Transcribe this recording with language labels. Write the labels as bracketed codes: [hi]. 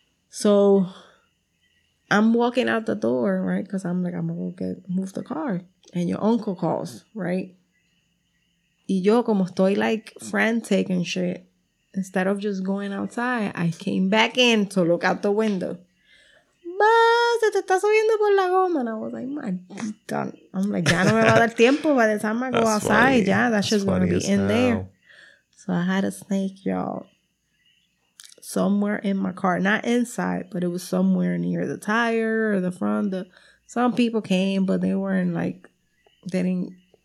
[en] So I'm walking out the door, right? Because I'm like, I'm going to go move the car. And your uncle calls, right? [es] Y yo como estoy [en] like frantic and shit, instead of just going outside, I came back in to look out the window. [es] Ma, se te está subiendo por la goma. [en] And I was like, [es] maldita. [en] I'm like, [es] ya no me va a dar tiempo. [en] By the time I go outside, yeah, that shit's going to be in there. So I had a snake, y'all, somewhere in my car. Not inside, but it was somewhere near the tire or the front. Some people came, but they weren't like, they didn't.